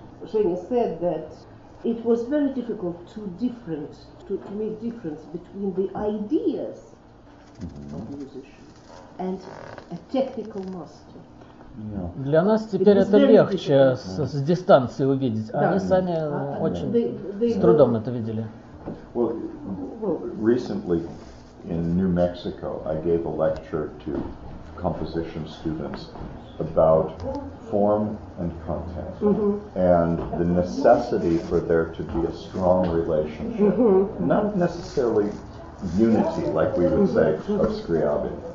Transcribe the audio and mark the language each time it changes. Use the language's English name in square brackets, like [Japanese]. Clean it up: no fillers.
[English] Женя said that it was very difficult to make difference between the ideas of musician and a technical master. Yeah. [Russian] Для нас теперь это легче с дистанции увидеть, а они сами очень с трудом это видели. [English] Well, recently in New Mexico I gave a lecture to composition students about form and content and the necessity for there to be a strong relationship, not necessarily unity, like we would say, of Scriabin.